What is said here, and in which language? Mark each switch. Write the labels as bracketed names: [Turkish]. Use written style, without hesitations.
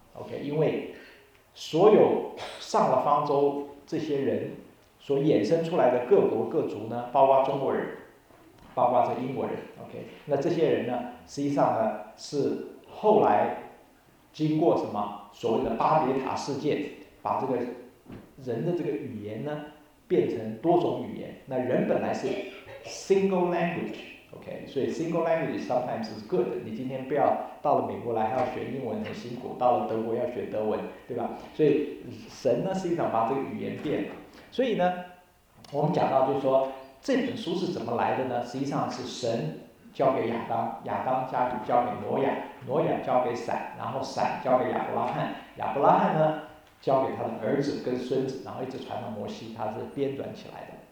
[Chinese] OK， 因为所有上了方舟这些人所衍生出来的各国各族呢，包括中国人，包括这英国人。 OK， 那这些人呢，实际上呢是后来经过什么所谓的巴别塔事件，把这个人的这个语言呢变成多种语言。那人本来是 [English] single language， [Chinese] OK， 所以 [English] single language sometimes is good。 [Chinese] 你今天不要到了美国来还要学英文很辛苦，到了德国要学德文，对吧？所以神呢实际上把这个语言变了。所以呢我们讲到就是说这本书是怎么来的呢，实际上是神交给亚当，亚当家就交给挪亚，挪亚交给闪，然后闪交给亚伯拉罕，亚伯拉罕呢交给他的儿子跟孙子，然后一直传到摩西，他是编纂起来的。